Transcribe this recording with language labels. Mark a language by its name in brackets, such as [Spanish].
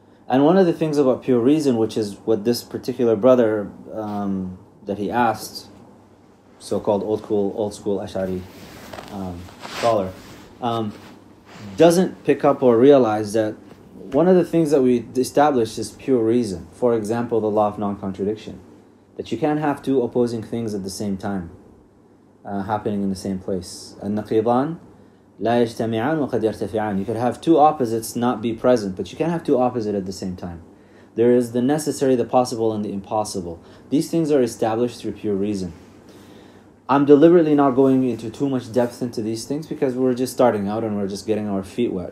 [English] And one of the things about pure reason, which is what this particular brother that he asked, so-called old school Ash'ari scholar, doesn't pick up or realize that one of the things that we established is pure reason. For example, the law of non-contradiction. That you can't have two opposing things at the same time happening in the same place. [Arabic] An-naqidan لَا يَجْتَمِعَانْ وَقَدْ يَرْتَفِعَانْ. [English] You could have two opposites not be present, but you can't have two opposites at the same time. There is the necessary, the possible, and the impossible. These things are established through pure reason. I'm deliberately not going into too much depth into these things because we're just starting out and we're just getting our feet wet.